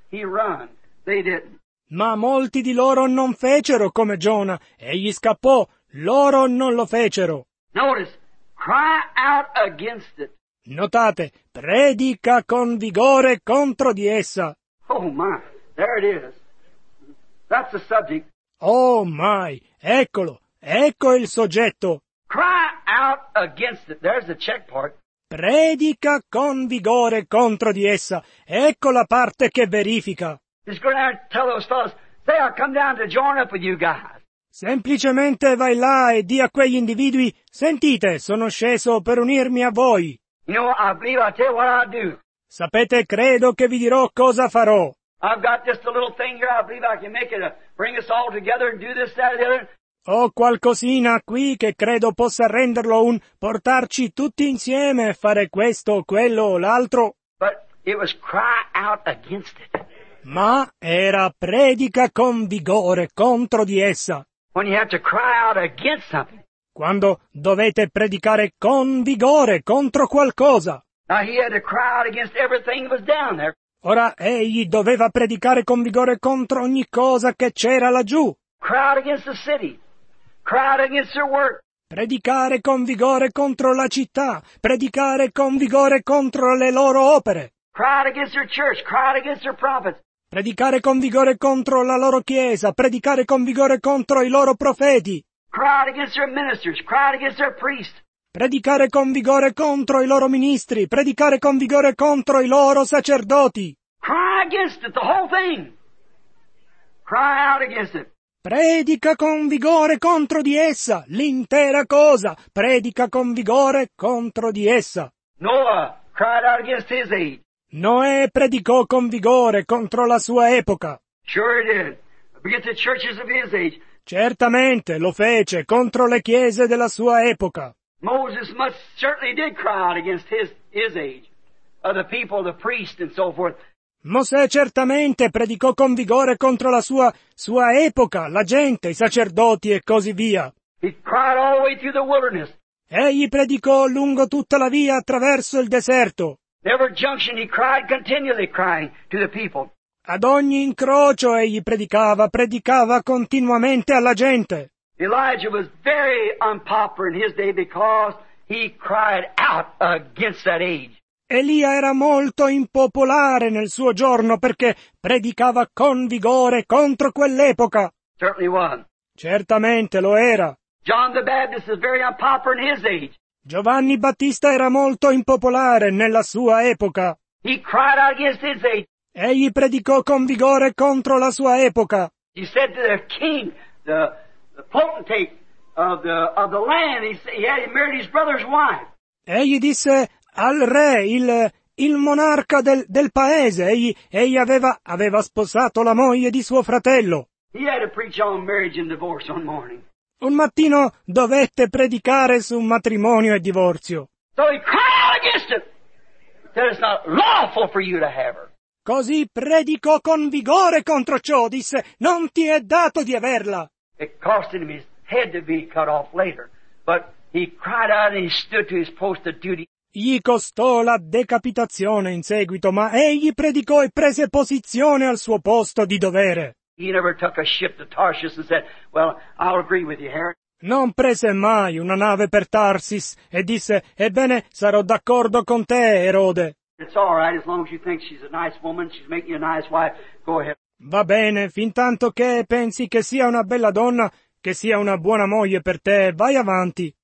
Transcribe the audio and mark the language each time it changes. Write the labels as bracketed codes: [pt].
[en] He ran. They didn't. [it] Ma molti di loro non fecero come Giona. Egli scappò. Loro non lo fecero. [en] Notice, cry out against it. [it] Notate, predica con vigore contro di essa. [en] Oh my, there it is. That's the subject. Oh my, [it] eccolo, ecco il soggetto. [en] Cry out against it, there's the check part. [it] Predica con vigore contro di essa, ecco la parte che verifica. [en] He's going to tell those fellows, say I'll come down to join up with you guys. [it] Semplicemente vai là e di a quegli individui, sentite, sono sceso per unirmi a voi. [en] You know, I believe I'll tell you what I'll do. [it] Sapete, credo che vi dirò cosa farò. [en] I've got just a little thing here, I believe I can make it a, bring us all together and do this, that, and the other. [it] Ho qualcosina qui che credo possa renderlo un portarci tutti insieme e fare questo, quello o l'altro. [en] But it was cry out against it. [it] Ma era predica con vigore contro di essa. [en] When you have to cry out against something. [it] Quando dovete predicare con vigore contro qualcosa. [en] Now he had to cry out against everything that was down there. [it] Ora egli doveva predicare con vigore contro ogni cosa che c'era laggiù. [en] Cry out against the city. Cry out against their work. [it] Predicare con vigore contro la città. Predicare con vigore contro le loro opere. [en] Cry out against their church. Cry out against their prophets. [it] Predicare con vigore contro la loro chiesa. Predicare con vigore contro i loro profeti. [en] Cry out against their ministers, cry out against their priests. [it] Predicare con vigore contro i loro ministri, predicare con vigore contro i loro sacerdoti. [en] Cry against it, the whole thing. Cry out against it. [it] Predica con vigore contro di essa, l'intera cosa. Predica con vigore contro di essa. [en] Noah cried out against his age. [it] Noè predicò con vigore contro la sua epoca. [en] Sure he did. Against the churches of his age. [it] Certamente lo fece contro le chiese della sua epoca. [en] Moses must certainly did cry out against his age, the people, the priests and so forth. [it] Mosè certamente predicò con vigore contro la sua epoca, la gente, i sacerdoti e così via. [en] He cried all the way through the wilderness. [it] Egli predicò lungo tutta la via attraverso il deserto. [en] Every junction he cried continually crying to the people. [it] Ad ogni incrocio egli predicava continuamente alla gente. [en] Elijah was very unpopular in his day because he cried out against that age. [it] Elia era molto impopolare nel suo giorno perché predicava con vigore contro quell'epoca. [en] Certainly was. [it] Certamente lo era. [en] John the Baptist is very unpopular in his age. [it] Giovanni Battista era molto impopolare nella sua epoca. [en] He cried out against his age. [it] Egli predicò con vigore contro la sua epoca. [en] He said to the king, the potentate of the land, he had married his brother's wife. [it] Egli disse al re, il monarca del paese, egli aveva sposato la moglie di suo fratello. [en] He had to preach on marriage and divorce one morning. [it] Un mattino dovette predicare su matrimonio e divorzio. [en] So he cried out against it, that it's not lawful for you to have her. [it] Così predicò con vigore contro ciò, disse, non ti è dato di averla. [en] It cost him his head to be cut off later, but he cried out and he stood to his post of duty. [it] Gli costò la decapitazione in seguito, ma egli predicò e prese posizione al suo posto di dovere. [en] He never took a ship to Tarshish and said, well, I'll agree with you, Herod. [it] non prese mai una nave per Tarsis e disse, ebbene, sarò d'accordo con te, Erode. [en] It's all right, as long as you think she's a nice woman, she's making you a nice wife, go ahead. [it] Va bene, fin tanto che pensi che sia una bella donna, che sia una buona moglie per te, vai avanti.